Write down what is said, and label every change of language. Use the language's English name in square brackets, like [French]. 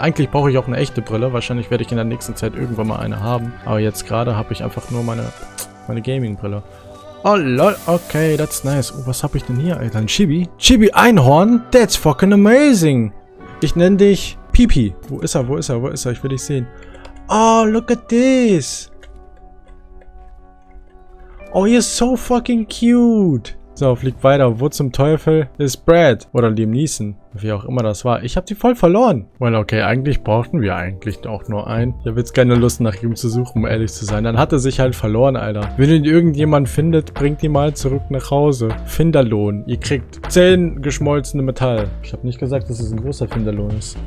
[German] Eigentlich brauche ich auch eine echte Brille, wahrscheinlich werde ich in der nächsten Zeit irgendwann mal eine haben, aber jetzt gerade habe ich einfach nur meine Gaming-Brille. [English] Oh lol, okay, that's nice. [German] Oh, was habe ich denn hier, Alter? Ein Chibi? Chibi Einhorn? [English] That's fucking amazing! [German] Ich nenne dich Pipi. Wo ist er? Wo ist er? Wo ist er? Ich will dich sehen. [English] Oh, look at this. Oh, you're so fucking cute. [German] So, flieg weiter. Wo zum Teufel ist Brad? Oder Liam Neeson? Wie auch immer das war. Ich hab die voll verloren. [English] Well, okay, [German] eigentlich brauchten wir eigentlich auch nur einen. Ich hab jetzt keine Lust, nach ihm zu suchen, um ehrlich zu sein. Dann hat er sich halt verloren, Alter. Wenn ihn irgendjemand findet, bringt ihn mal zurück nach Hause. Finderlohn. Ihr kriegt 10 geschmolzene Metall. Ich hab nicht gesagt, dass es ein großer Finderlohn ist.